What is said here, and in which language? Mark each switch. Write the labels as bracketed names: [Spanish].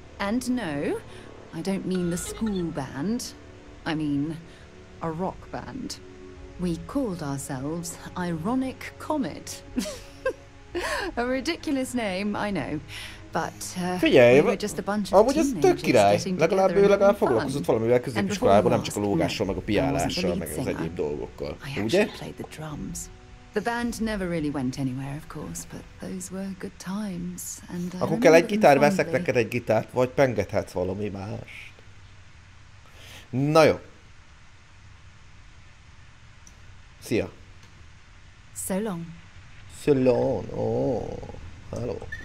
[English] And no, I don't mean the school band. I mean a rock band. We called ourselves Ironic Comet. A ridiculous name, I know. But [Hungarian] figyelj, [English] we were just a bunch of teenagers getting together and having fun. [Hungarian] Legalább ő legalább foglalkozott valamivel középiskolában, nem csak a lógással, meg a piálással, meg az egyéb dolgokkal, ugye? [English] The band never really went anywhere, of course, but those were good times. And [Hungarian] akkor kell egy gitár, veszek neked egy gitárt, vagy pengethetsz valami mást. Na jó. Szia. [English] So long. So long. Oh, hello.